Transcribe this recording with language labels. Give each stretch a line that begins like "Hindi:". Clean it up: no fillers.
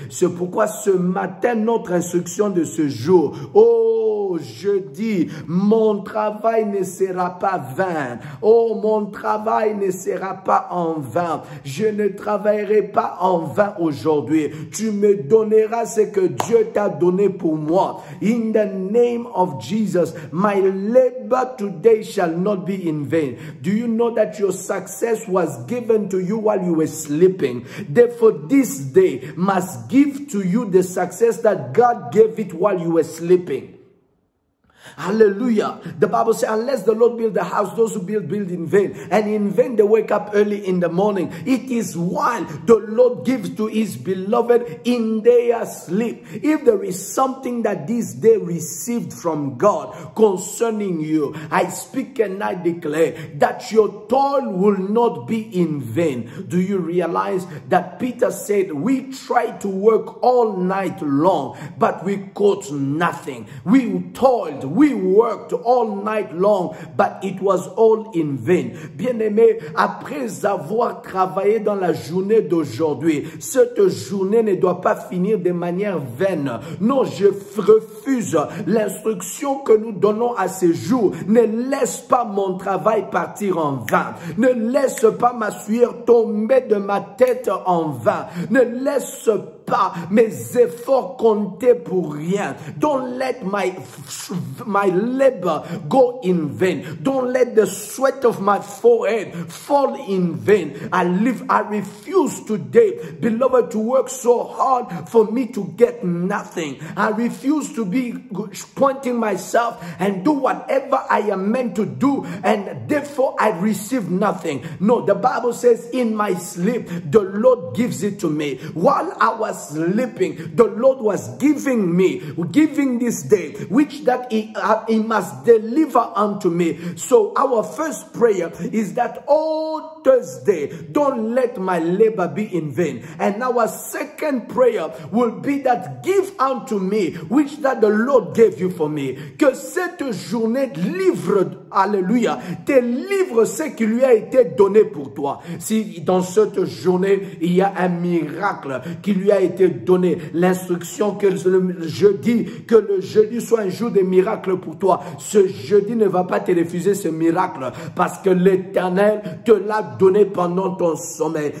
French: C'est pourquoi ce matin, notre instruction de ce jour, oh, je dis, mon travail ne sera pas vain. Oh, mon travail ne sera pas en vain. Je ne travaillerai pas en vain aujourd'hui. Tu me donneras ce que Dieu t'a donné pour moi.
English: In the name of Jesus, my labor today shall not be in vain. Do you know that your success was given to you while you were sleeping? Therefore, this day must give to you the success that God gave it while you were sleeping. Hallelujah. The Bible says, unless the Lord build the house, those who build in vain. And in vain they wake up early in the morning. It is while the Lord gives to his beloved in their sleep. If there is something that this day received from God concerning you, I speak and I declare that your toil will not be in vain. Do you realize that Peter said, we try to work all night long, but we caught nothing. We toiled. We worked all night long, but it was all in vain.
French: Bien-aimé, après avoir travaillé dans la journée d'aujourd'hui, cette journée ne doit pas finir de manière vaine. Non, je refuse. L'instruction que nous donnons à ces jours ne laisse pas mon travail partir en vain. Ne laisse pas ma sueur tomber de ma tête en vain. Ne laisse pas mes efforts compter pour rien.
English: Don't let my labor go in vain. Don't let the sweat of my forehead fall in vain. I refuse today, beloved, to work so hard for me to get nothing. I refuse to be pointing myself and do whatever I am meant to do, and therefore I receive nothing. No, the Bible says, in my sleep, the Lord gives it to me. While I was sleeping, the Lord was giving this day, which that he must deliver unto me. So our first prayer is that all Thursday, don't let my labor be in vain. And our second prayer will be that give unto me, which that the Lord gave you for me.
French: Que cette journée livre, alléluia, te livre ce qui lui a été donné pour toi. Si dans cette journée, il y a un miracle qui lui a été donné, l'instruction que le jeudi soit un jour de miracle pour toi, ce jeudi ne va pas te refuser ce miracle parce que l'Éternel te l'a donné pendant ton sommeil.